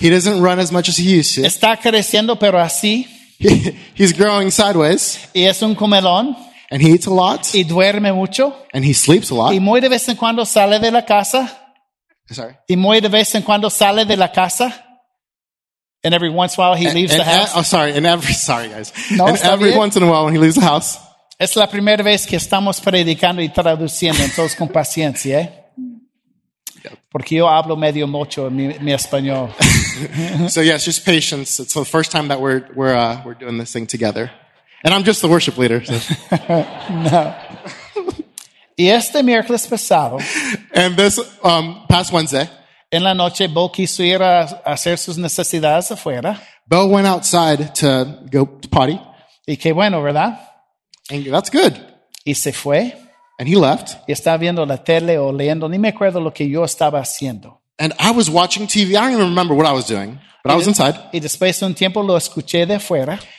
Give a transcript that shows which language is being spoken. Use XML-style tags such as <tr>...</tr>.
<en>He doesn't run as much as he used to.</en> <es>Está creciendo, pero así.</es> <en>He's growing sideways.</en> <es>Y es un comelón.</es> <en>And he eats a lot.</en> <es>Y duerme mucho.</es> <en>And he sleeps a lot.</en> <es>Y muy de vez en cuando sale de la casa.</es> <en>Sorry.</en> <es>Y muy de vez en cuando sale de la casa.</es> <en>And every once in a while he leaves the house. Once in a while when he leaves the house.</en> <es>Es la primera vez que estamos predicando y traduciendo, entonces con paciencia, ¿eh? Porque yo hablo medio mucho mi español.</es> <en>So yes, just patience. It's the first time that we're doing this thing together. And I'm just the worship leader. So.</en> <es>No. Y este miércoles pasado.</es> <en>And this past Wednesday.</en> <es>En la noche, Bo quiso ir a hacer sus necesidades afuera.</es> <en>Bo went outside to go to potty.</en> <es>Y qué bueno, ¿verdad?</es> <en>And that's good.</en> <es>Y se fue.</es> <en>And he left.</en> <es>Y estaba viendo la tele o leyendo. Ni me acuerdo lo que yo estaba haciendo.</es> <en>And I was watching TV. I don't even remember what I was doing. But I was inside.</en> <es>Y después de un tiempo lo escuché de afuera.</es>